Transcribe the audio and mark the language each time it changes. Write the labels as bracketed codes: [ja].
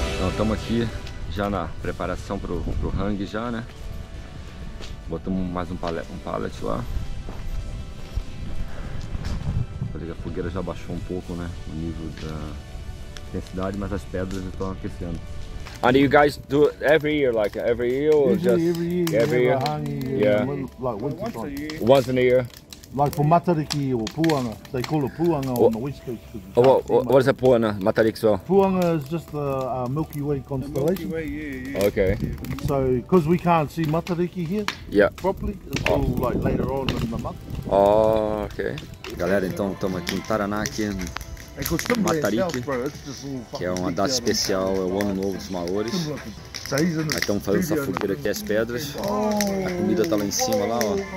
[pt] Estamos aqui já na preparação pro hang já, né? Botamos mais um pallet lá. A fogueira já baixou um pouco, né? O nível da intensidade, mas as pedras já estão aquecendo. [en] And you guys do it every year, like every year or every year? Every year. Yeah. Like once a year. Once a year. Like for Matariki or Puanga, they call it Puanga on the west coast. What is a Puanga, Matariki? So? Puanga is just the Milky Way constellation. Milky Way, yeah. Okay. So, because we can't see Matariki here properly, until like later on in the month. Oh, okay. [pt] Galera, então estamos aqui em Taraná, aqui em Matariki, que é uma data especial, é o Ano Novo dos Maores. Aí estamos fazendo essa fogueira aqui, as pedras. A comida está lá em cima, lá, ó.